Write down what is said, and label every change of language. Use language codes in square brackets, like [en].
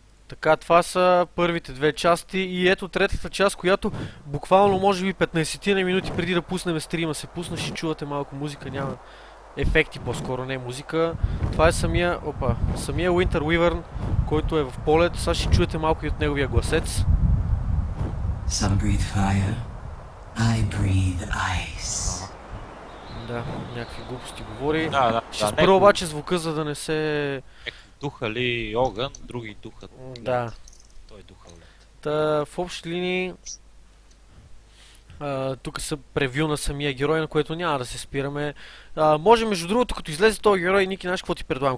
[bg] Така, това са първите две части и ето третата част, която буквално може би 15-ти минути преди да пуснем стрима се пусна, ще чувате малко музика, няма ефекти по-скоро, не музика. Това е самия Winter Wyvern, който е в полет, сега ще чуете малко и от неговия гласец. [en] Some breathe fire, I breathe ice. [bg] Да, някакви глупости говори. Ще спра обаче звука, за да не се... Духа ли огън, други духа. Да. Той духа лед. Та, в общи линии... Тук са превю на самия герой, на което няма да се спираме. Може между другото, като излезе този герой, Ники, знаеш какво ти предлагам?